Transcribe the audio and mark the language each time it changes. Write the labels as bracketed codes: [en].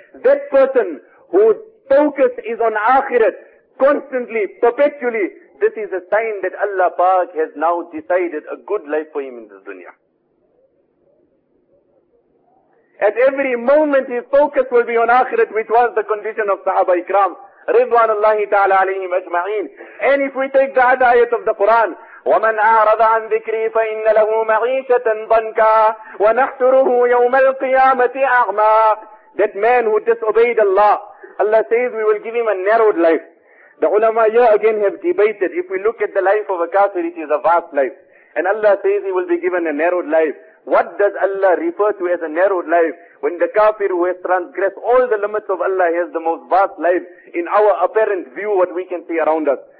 [en] That person who focus is on akhirat, constantly, perpetually. This is a sign that Allah Pak has now decided a good life for him in this dunya. At every moment his focus will be on akhirat, which was the condition of Sahaba Ikram, Ridwanullahi ta'ala alayhim ajma'een. And if we take the other ayat of the Quran, [ar] وَمَنْ أَعْرَضَ عَنْ ذِكْرِي فَإِنَّ لَهُ مَعِيشَةً ضَنْكَا وَنَحْشُرُهُ يَوْمَ الْقِيَامَةِ أَعْمَى. [en] That man who disobeyed Allah, Allah says we will give him a narrowed life. The ulama here again have debated. If we look at the life of a kafir, it is a vast life. And Allah says he will be given a narrowed life. What does Allah refer to as a narrowed life? When the kafir who has transgressed all the limits of Allah has the most vast life in our apparent view, what we can see around us.